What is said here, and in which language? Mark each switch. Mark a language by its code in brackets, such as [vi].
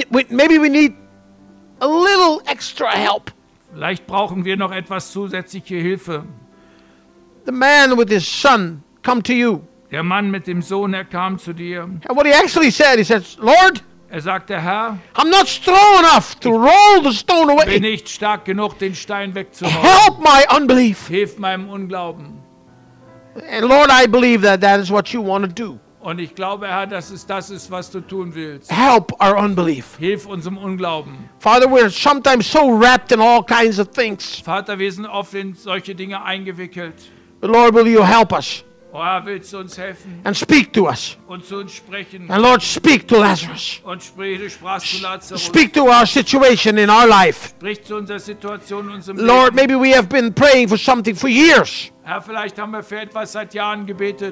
[en] Maybe we need a little extra help. [de] Vielleicht brauchen wir noch etwas zusätzliche Hilfe. [en] The man with his son come to you. [de] Der Mann mit dem Sohn, er kam zu dir. [en] And what he actually said, he says, Lord. [de] Er sagte, Herr. [en] I'm not strong enough to roll the stone away. [de] Bin nicht stark genug, den Stein wegzuholen. [en] Help my unbelief. [de] Hilf meinem Unglauben. [en] And Lord, I believe that that is what you want to do. [de] Und ich glaube, Herr, dass es das ist, was du tun willst. [en] Help our unbelief. [de] Hilf unserem Unglauben. [en] Father, we're sometimes so wrapped in all kinds of things. [de] Vater, wir sind oft in solche Dinge eingewickelt. [en] But Lord, will you help us? [de] Oh, Herr, willst du uns helfen? [en] And speak to us. [de] Und zu uns sprechen. [en] And Lord, speak to Lazarus. [de] Und sprichst zu Lazarus. [en] Speak to our situation in our life. [de] Sprich zu unserer Situation in unserem Leben. [en] Lord, maybe we have been praying for something for years. [de] Herr, vielleicht haben wir für etwas seit Jahren gebetet.